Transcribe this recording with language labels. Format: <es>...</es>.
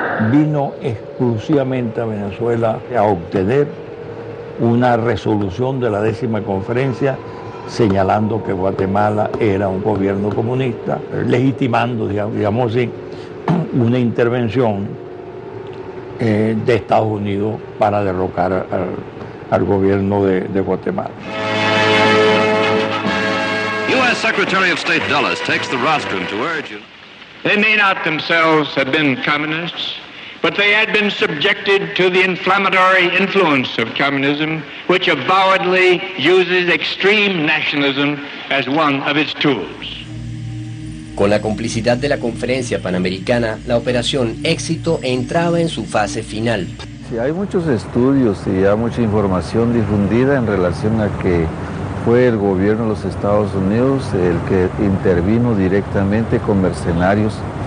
<es>Vino exclusivamente a Venezuela a obtener una resolución de la 10ª conferencia señalando que Guatemala era un gobierno comunista, legitimando, digamos así, una intervención de Estados Unidos para derrocar al gobierno de Guatemala.</es> <en>Secretary of State Dulles takes the rostrum to urge you. They may not themselves have been communists, but they had been subjected to the inflammatory influence of communism, which avowedly uses extreme nationalism as one of its tools.</en> <es>Con la complicidad de la Conferencia Panamericana, la Operación Éxito entraba en su fase final. Sí, hay muchos estudios y ya mucha información difundida en relación a que fue el gobierno de los Estados Unidos el que intervino directamente con mercenarios</es>